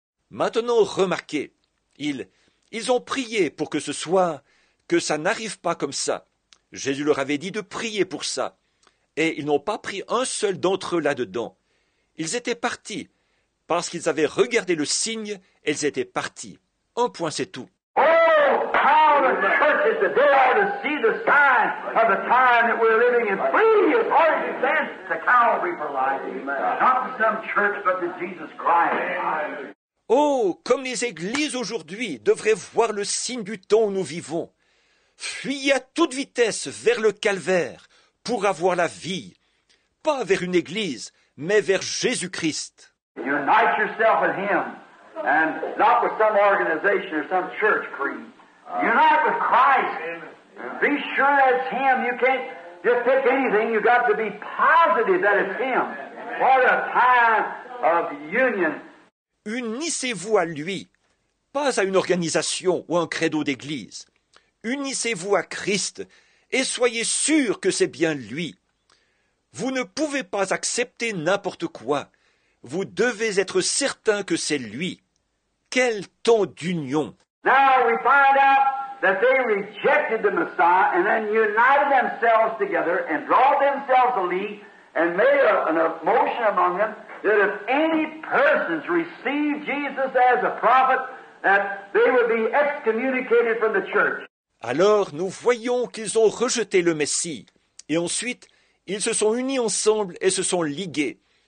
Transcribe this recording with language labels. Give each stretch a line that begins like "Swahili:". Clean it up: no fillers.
French: Maintenant, remarquez, ils ont prié pour que ce soit, que ça n'arrive pas comme ça. Jésus leur avait dit de prier pour ça. Et ils n'ont pas pris un seul d'entre eux là-dedans. Ils étaient partis, parce qu'ils avaient regardé le signe, ils étaient partis. Un point, c'est tout.
English: Oh, how the church is today to see the sign of the time that we're living in. Free as hard as you can to Calvary for life. Not some church, but to Jesus Christ.
French: Oh, comme les églises aujourd'hui devraient voir le signe du temps où nous vivons. Fuyez à toute vitesse vers le calvaire. Pour avoir la vie, pas vers une église, mais vers Jésus-Christ.
English: Unite yourself with Him, and not with some organization or some church creed. Unite with Christ. Be sure that's Him. You can't just pick anything. You've got to be positive that it's Him. What a time of union.
French: Unissez-vous à Lui, pas à une organisation ou un credo d'église. Unissez-vous à Christ. Et soyez sûr que c'est bien lui. Vous ne pouvez pas accepter n'importe quoi. Vous devez être certain que c'est lui. Quel temps d'union!
English: Now we find out that they rejected the Messiah and then united themselves together and draw themselves a league and made an motion among them that if any persons receive Jesus as a prophet, that they would be excommunicated from the church.
French: Alors, nous voyons qu'ils ont rejeté le Messie. Et ensuite, ils se sont unis ensemble et se sont ligués.